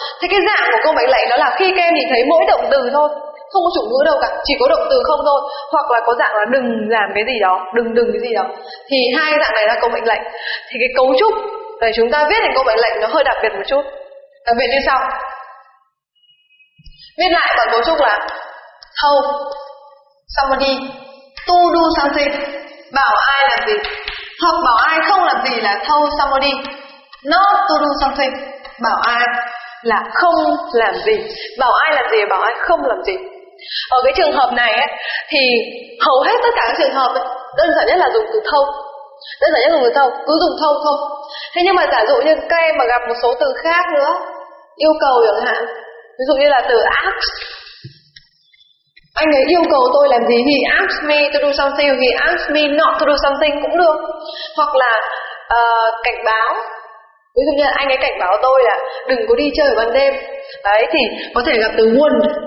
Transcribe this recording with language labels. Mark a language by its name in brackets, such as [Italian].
[Vietnamese] Thế cái dạng của câu mệnh lệnh đó là khi các em nhìn thấy mỗi động từ thôi, không có chủ ngữ đâu cả, chỉ có động từ không thôi, hoặc là có dạng là đừng làm cái gì đó, đừng cái gì đó, thì hai dạng này là câu mệnh lệnh. Thì cái cấu trúc để chúng ta viết thành câu mệnh lệnh nó hơi đặc biệt một chút. Đặc biệt như sau. Viết lại bằng cấu trúc là [English] How? Somebody to do something. [Vietnamese] Bảo ai làm gì? Hoặc bảo ai không làm gì là [English] told somebody not to do something. [Vietnamese] Bảo ai là không làm gì? Bảo ai làm gì? Bảo ai không làm gì? Ở cái trường hợp này ấy, thì hầu hết tất cả các trường hợp ấy, đơn giản nhất là dùng từ thâu. Đơn giản nhất là dùng từ thâu, cứ dùng thâu thôi. Thế nhưng mà giả dụ như các em mà gặp một số từ khác nữa yêu cầu chẳng hạn, ví dụ như là từ ask. Anh ấy yêu cầu tôi làm gì? [English] He asks me to do something, he asks me not to do something [Vietnamese] cũng được. Hoặc là cảnh báo. Ví dụ như là anh ấy cảnh báo tôi là đừng có đi chơi ban đêm. Đấy thì có thể gặp từ warn.